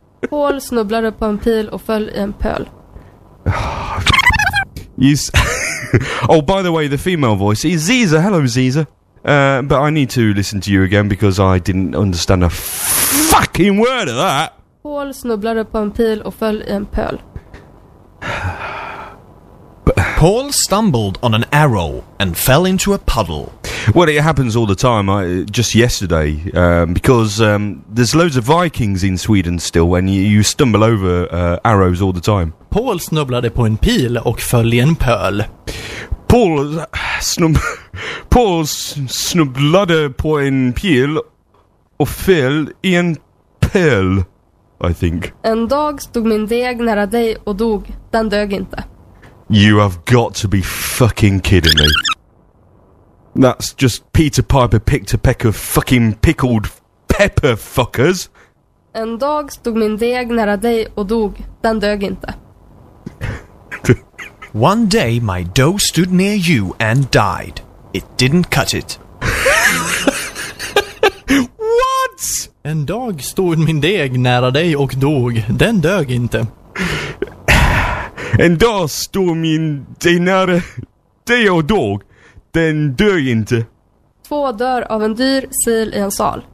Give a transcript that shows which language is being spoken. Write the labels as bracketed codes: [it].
[sv] Paul snubblade på en pil och föll i en pöl. [en] Yes. Oh, by the way, the female voice is Ziza. Hello, Ziza. But I need to listen to you again because I didn't understand a fucking word of that. [sv] Paul snubblade på en pil och föll i en pöl. [en] Paul stumbled on an arrow and fell into a puddle. Well, it happens all the time. Just yesterday, because there's loads of Vikings in Sweden still, and you stumble over arrows all the time. [sv] Paul snubblade på en pil och föll i en pöl. Paul snubblade på en pil och föll i en pöl. [en] I think. [sv] En dag stod min deg nära dig och dog. Den dög inte. [en] You have got to be fucking kidding me. That's just Peter Piper picked a peck of fucking pickled pepper fuckers. [sv] En dag stod min deg nära dig och dog. Den dög inte. [en] One day my dough stood near you and died. It didn't cut it. What? [sv] En dag stod min deg nära dig och dog. Den dög inte. En då stod min dig nära dig och dog. Den dör inte. Två dör av en dyr sil i en sal.